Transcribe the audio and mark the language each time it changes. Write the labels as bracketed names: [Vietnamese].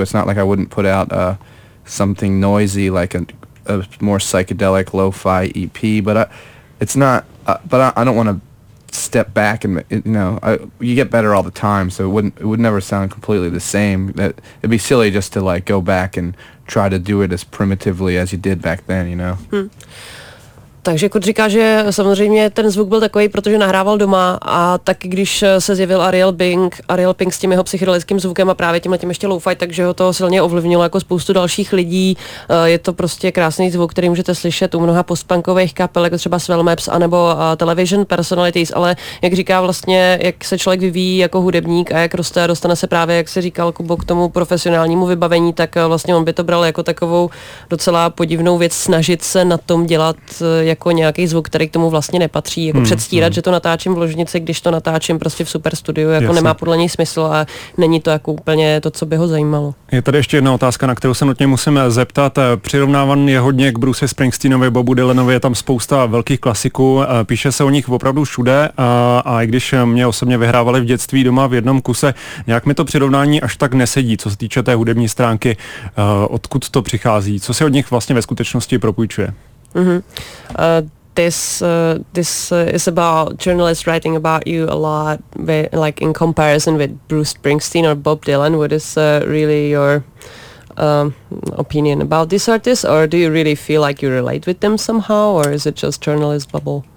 [English] It's not like I wouldn't put out something noisy, like a more psychedelic lo-fi EP, but I don't want to step back, and you know, you get better all the time, so it would never sound completely the same. It'd be silly just to like go back and try to do it as primitively as you did back then, you know. [Czech] Takže Kurt říká, že samozřejmě ten zvuk byl takový, protože nahrával doma, a taky když se zjevil Ariel Pink s tím jeho psychedelickým zvukem a právě tímhletím ještě lo-fi, takže ho to silně ovlivnilo jako spoustu dalších lidí. Je to prostě krásný zvuk, který můžete slyšet u mnoha postpunkových kapel, jako třeba Swell Maps anebo Television Personalities, ale jak říká vlastně, jak se člověk vyvíjí jako hudebník a jak roste a dostane se právě, jak se říkal Kubo, k tomu profesionálnímu vybavení, tak vlastně on by to bral jako takovou docela podivnou věc snažit se na tom dělat jako nějaký zvuk, který k tomu vlastně nepatří, jako předstírat, že to natáčím v ložnici, když to natáčím prostě v superstudiu, jako jasně. Nemá podle něj smysl a není to jako úplně to, co by ho zajímalo. Je tady ještě jedna otázka, na kterou se nutně musíme zeptat. Přirovnávan je hodně k Bruce Springsteenovi, Bobu Dylanovi, je tam spousta velkých klasiků, píše se o nich opravdu všude, a i když mě osobně vyhrávali v dětství doma v jednom kuse, nějak mi to přirovnání až tak nesedí, co se týče té hudební stránky, odkud to přichází, co se od nich vlastně ve skutečnosti propůjčuje. Mm-hmm. [English] this is about journalists writing about you a lot, like in comparison with Bruce Springsteen or Bob Dylan. What is really your opinion about these artists, or do you really feel like you relate with them somehow, or is it just journalist bubble?